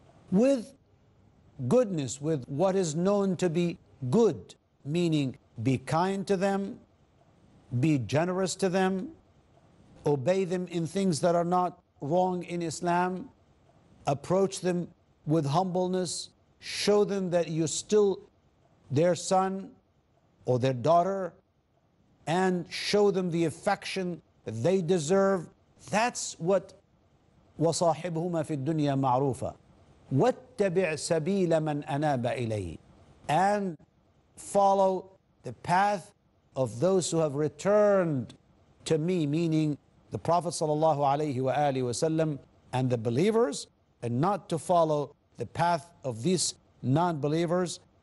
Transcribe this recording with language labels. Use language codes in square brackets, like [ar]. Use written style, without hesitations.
[en] with goodness, with what is known to be good, meaning be kind to them, be generous to them, obey them in things that are not wrong in Islam, approach them with humbleness, show them that you're still their son or their daughter, and show them the affection that they deserve. That's what [ar] وَصَاحِبْهُمَا فِي الدُّنْيَا مَعْرُوفًا. وَاتَّبِعْ سَبِيلَ مَنْ أَنَابَ إِلَيْهِ, [en] and follow the path of those who have returned to me, meaning the Prophet sallallahu alayhi wa alihi wa sallam and the believers, and not to follow the path of these non-believers.